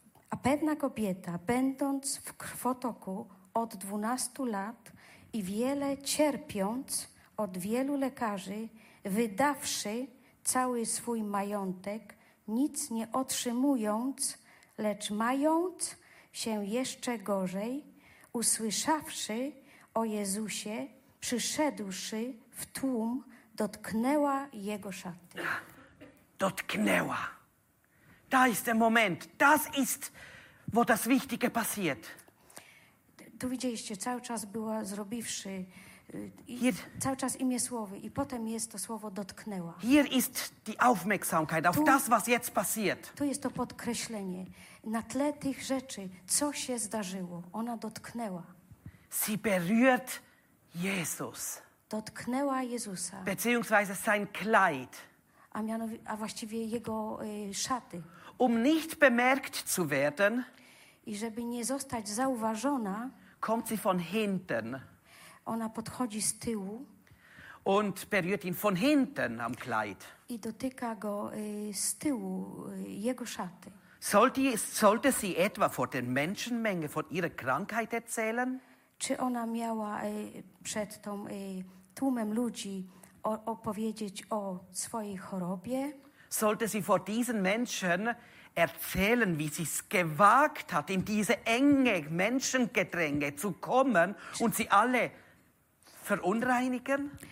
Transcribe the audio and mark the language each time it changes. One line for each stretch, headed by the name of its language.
Polish: A pewna kobieta, będąc w krwotoku od 12 lat i wiele cierpiąc od wielu lekarzy, wydawszy cały swój majątek, nic nie otrzymując, lecz mając się jeszcze gorzej, usłyszawszy o Jezusie, przyszedłszy w tłum, dotknęła Jego szaty. Dotknęła.
German: Da ist der Moment. Das ist, wo das Wichtige passiert.
Polish: Tu widzieliście, cały czas była zrobiwszy, cały czas imię słowy i potem jest to słowo dotknęła.
German: Hier ist die Aufmerksamkeit auf das, was jetzt passiert.
Polish: Tu jest to podkreślenie. Na tle tych rzeczy, co się zdarzyło? Ona dotknęła.
German: Sie berührt Jesus.
Polish: Dotknęła Jezusa.
German: Beziehungsweise sein Kleid.
Polish: A właściwie jego szaty.
German: Um nicht bemerkt zu werden.
Polish: I żeby nie zostać zauważona.
German: Kommt sie von hinten.
Polish: Ona podchodzi z tyłu.
German: Und berührt ihn von hinten am Kleid.
Polish: I dotyka go z tyłu jego szaty.
German: Sollte sie etwa vor den Menschenmenge von ihrer Krankheit erzählen?
Polish: Czy ona miała przed tą tłumem ludzi opowiedzieć o swojej chorobie?
German: Sollte sie vor diesen Menschen erzählen, wie sie es gewagt hat, in diese enge Menschengedränge zu kommen und sie alle verunreinigen?